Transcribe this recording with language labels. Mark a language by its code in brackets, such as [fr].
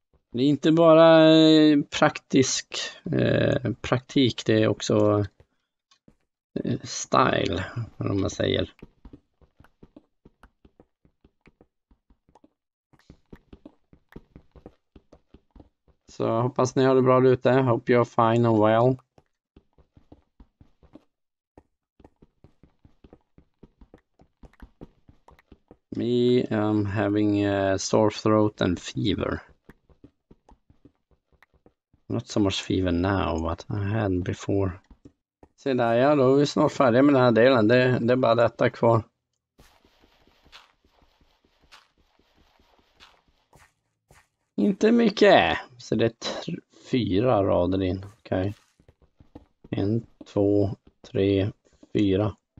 [sv] Det är inte bara praktisk praktik, det är också style, vad man säger. Så jag hoppas ni har det bra ute. [en] Hope you're fine and well. Me, I'm having a sore throat and fever. Not so much fever now, but I had before. [sv] Se där, ja, då är vi snart färdiga med den här delen. Det är bara detta kvar. Inte mycket. Så det är fyra rader in. Okej. Okay. En, två, tre, fyra.